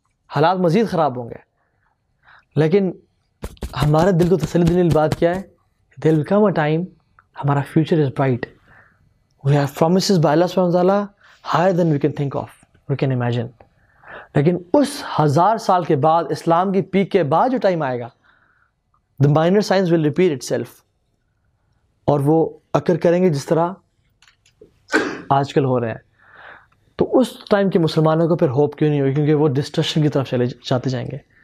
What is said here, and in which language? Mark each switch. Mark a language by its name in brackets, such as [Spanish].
[Hindi] हालात मज़ीद ख़राब होंगे. लेकिन हमारे दिल को तसल्ली देने की बात क्या है? [English] There will come a time, हमारा future is bright. We have promises by Allah subhanahu wa ta'ala higher than we can think of, we can imagine. [Hindi] लेकिन उस हज़ार साल के बाद, इस्लाम की पीक के बाद जो टाइम आएगा, [English] the minor science will repeat itself, [Hindi] और वो अकर करेंगे जिस तरह आजकल हो रहे हैं. तो उस टाइम के मुसलमानों को फिर होप क्यों नहीं होगी? क्योंकि वो डिस्ट्रक्शन की तरफ चले जाते जाएंगे.